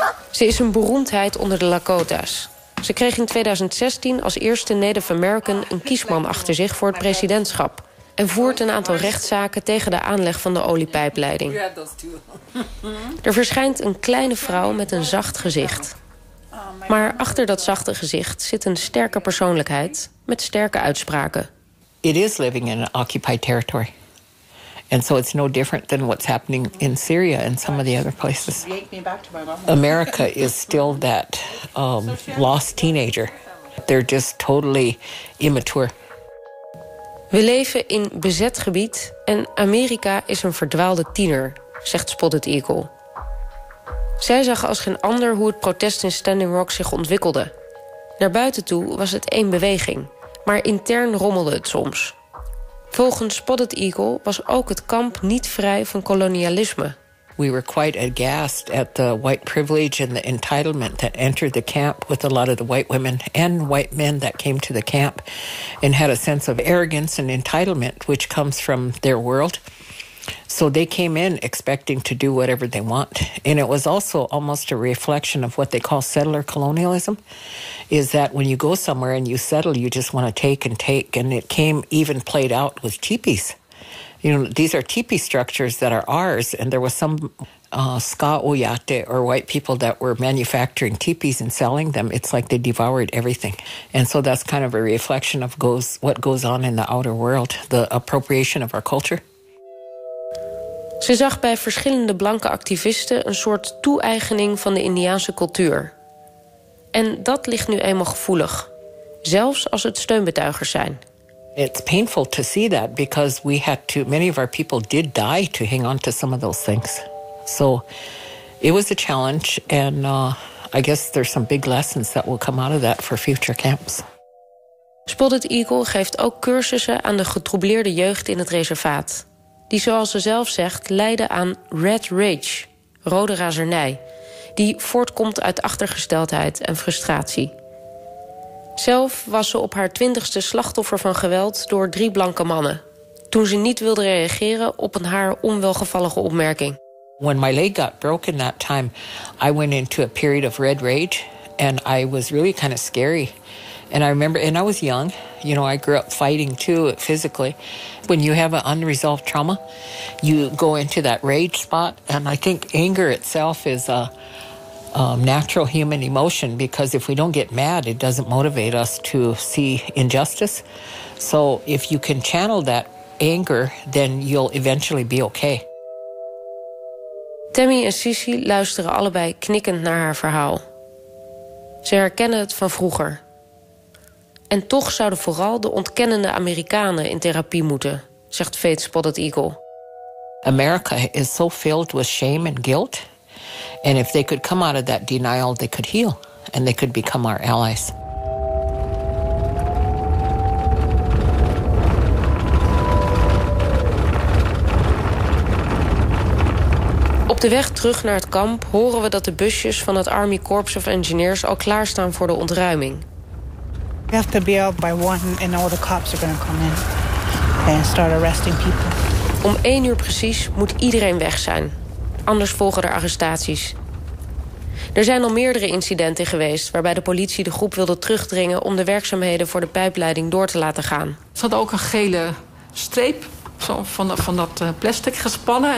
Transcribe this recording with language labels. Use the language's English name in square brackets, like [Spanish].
[Dutch] Ze is een beroemdheid onder de Lakota's. Ze kreeg in 2016 als eerste Native American een kiesman achter zich voor het presidentschap en voert een aantal rechtszaken tegen de aanleg van de oliepijpleiding. Er verschijnt een kleine vrouw met een zacht gezicht. Maar achter dat zachte gezicht zit een sterke persoonlijkheid met sterke uitspraken. [English] It is living in an occupied territory. And so it's no different than what's happening in Syria and some of the other places. America is still that lost teenager. They're just totally immature. [Dutch] We leven in bezet gebied en Amerika is een verdwaalde tiener, zegt Spotted Eagle. Zij zag als geen ander hoe het protest in Standing Rock zich ontwikkelde. Naar buiten toe was het één beweging, maar intern rommelde het soms. Volgens Spotted Eagle was ook het kamp niet vrij van kolonialisme. [English] We were quite aghast at the white privilege and the entitlement that entered the camp with a lot of the white women and white men that came to the camp and had a sense of arrogance and entitlement which comes from their world. So they came in expecting to do whatever they want. And it was also almost a reflection of what they call settler colonialism, is that when you go somewhere and you settle, you just want to take and take. And it came even played out with teepees. You know, these are teepee structures that are ours. And there was some ska oyate, or white people, that were manufacturing teepees and selling them. It's like they devoured everything. And so that's kind of a reflection of what goes on in the outer world, the appropriation of our culture. [Dutch] Ze zag bij verschillende blanke activisten een soort toe-eigening van de Indiaanse cultuur. En dat ligt nu eenmaal gevoelig, zelfs als het steunbetuigers zijn. [English] It's painful to see that because we had to. Many of our people did die to hang on to some of those things. So it was a challenge, and I guess there's some big lessons that will come out of that for future camps. [Dutch] Spotted Eagle geeft ook cursussen aan de getroubleerde jeugd in het reservaat. Die, zoals ze zelf zegt, lijden aan red rage, rode razernij, die voortkomt uit achtergesteldheid en frustratie. Zelf was ze op haar 20ste slachtoffer van geweld door 3 blanke mannen, toen ze niet wilde reageren op een haar onwelgevallige opmerking. [English] When my leg got broken that time, I went into a period of red rage and I was really kind of scary. And I remember, and I was young, you know, I grew up fighting too, physically. When you have an unresolved trauma, you go into that rage spot. And I think anger itself is a natural human emotion, because if we don't get mad, it doesn't motivate us to see injustice. So if you can channel that anger, then you'll eventually be okay. [Dutch] Tammy en Sissy luisteren allebei knikkend naar haar verhaal. Ze herkennen het van vroeger. En toch zouden vooral de ontkennende Amerikanen in therapie moeten, zegt Faith Spotted Eagle. [English] America is so filled with shame and guilt. And if they could come out of that denial, they could heal. And they could become our allies. [Dutch] Op de weg terug naar het kamp horen we dat de busjes van het Army Corps of Engineers al klaarstaan voor de ontruiming. [English] We have to be out by 1 and all the cops are going to come in and start arresting people. [Dutch] Om 1 uur precies moet iedereen weg zijn. Anders volgen er arrestaties. Er zijn al meerdere incidenten geweest waarbij de politie de groep wilde terugdringen om de werkzaamheden voor de pijpleiding door te laten gaan. Ze hadden ook een gele streep van dat plastic gespannen.